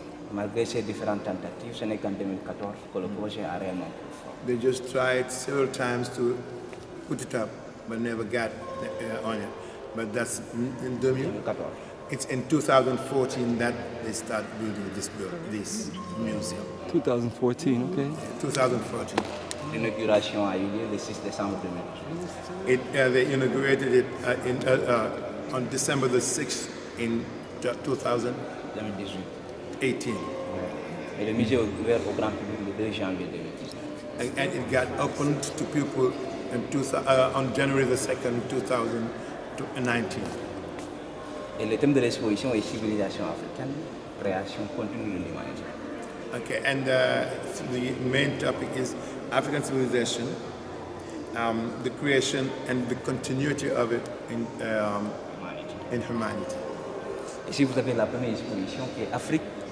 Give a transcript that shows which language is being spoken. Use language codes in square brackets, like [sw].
[fr] Malgré ces différentes tentatives, ce n'est qu'en 2014 que le projet a réellement pris forme. [en] They just tried several times to put it up, but never got on it. But that's in 2014. It's in 2014 that they start building this museum. 2014, okay. 2014. [fr] L'inauguration a eu lieu le 6 décembre 2014. [en] They inaugurated it on December the 6th in 2018. [fr] Et le musée est ouvert au grand public le 2 janvier 2019. [en] And it got opened to people in on January the 2nd, 2019. [fr] Et le thème de l'exposition est civilisation africaine, création continue de l'humanité. [en] Okay, and the main topic is African civilization, the creation and the continuity of it in humanity. [fr] Ici vous avez la première exposition qui est Afrique.